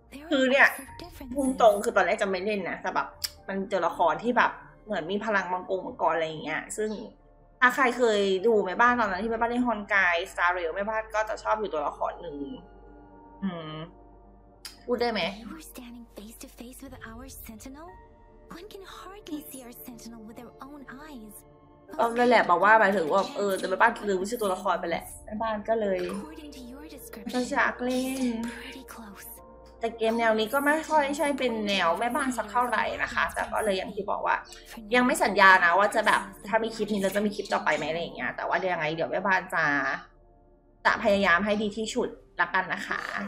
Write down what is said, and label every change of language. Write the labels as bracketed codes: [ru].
[th] คือเนี่ยพูดตรงคือตอนแรกจะไม่เล่นนะแต่แบบมันเจอละครที่แบบเหมือนมีพลังมังกรอะไรอย่างเงี้ยซึ่ง อ่ะใครเคยดูแม่บ้านตอนนั้นที่แม่บ้านเล่นฮอนไกสตาร์เรลแม่บ้านก็จะชอบอยู่ตัวละครหนึ่งพูดได้ไหม [en] You're standing face to face with our sentinel? One can hardly see our sentinel with their own eyes. [th] เออนั่นแหละบอกว่าหมายถึงว่าเออแม่บ้านลืมชื่อตัวละครไปแหละแม่บ้านก็เลยฉันจะอักเล่นแต่เกมแนวนี้ก็ไม่ค่อยใช่เป็นแนวแม่บ้านสักเท่าไหร่นะคะแต่ก็เลยอย่างที่บอกว่ายังไม่สัญญานะว่าจะแบบถ้ามีคลิปนี้แล้วจะมีคลิปต่อไปไหมอะไรอย่างเงี้ยแต่ว่ายังไงเดี๋ยวแม่บ้านจะพยายามให้ดีที่สุดละกันนะคะ